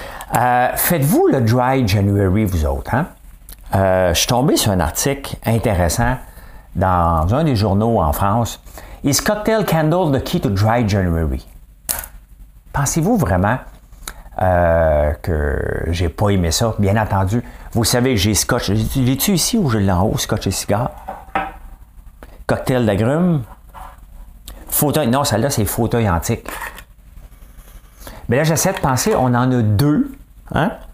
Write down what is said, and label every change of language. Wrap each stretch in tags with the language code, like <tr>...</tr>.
<fr>Faites-vous le Dry January, vous autres, hein? Je suis tombé sur un article intéressant dans un des journaux en France.</fr> <en>Is cocktail candle the key to dry January?</en> <fr>Pensez-vous vraiment que j'ai pas aimé ça? Bien entendu, vous savez que j'ai scotch. L'ai-tu ici ou je l'ai en haut, scotch et cigare? Cocktail d'agrumes? Fauteuil. Non, celle-là, c'est fauteuil antique. Mais là, j'essaie de penser, on en a deux. Hein?</fr>